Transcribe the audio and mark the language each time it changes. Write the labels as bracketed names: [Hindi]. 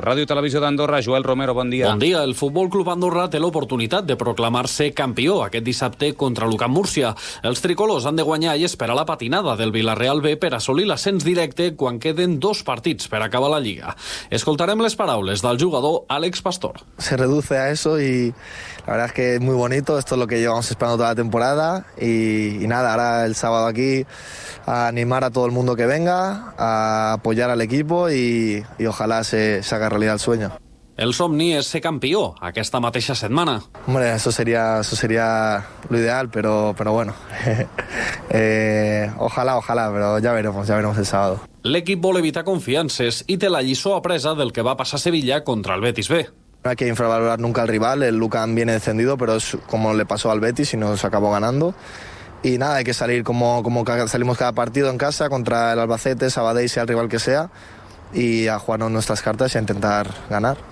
[Catalan] Ràdio Televisió d'Andorra, Joel Romero, bon dia. Bon dia. El Futbol Club Andorra té l'oportunitat de proclamar-se campió aquest dissabte contra l'UCAM Múrcia. Els tricolors han de guanyar i esperar la patinada del Villarreal B per assolir l'ascens directe quan queden 2 partits per acabar la Lliga. Escoltarem les paraules del jugador Àlex Pastor. [Spanish] Se reduce a eso y la verdad es que es muy bonito, esto es lo que llevamos esperando toda la temporada y nada, ahora el sábado aquí a animar a todo el mundo que venga, a apoyar al equipo y ojalá se haga realidad el sueño. [Catalan] El somni és ser campió aquesta mateixa setmana. [Spanish] Hombre, eso sería lo ideal, pero bueno, ojalá, pero ya veremos el sábado. [Catalan] L'equip vol evitar confiances i té la lliçó apresa del que va passar a Sevilla contra el Betis B. [Spanish] No hay que infravalorar nunca al rival, el Lucan viene descendido, pero es como le pasó al Betis y nos acabó ganando. Y nada, hay que salir como salimos cada partido en casa contra el Albacete, Sabadell, sea el rival que sea, y a jugarnos nuestras cartas y a intentar ganar.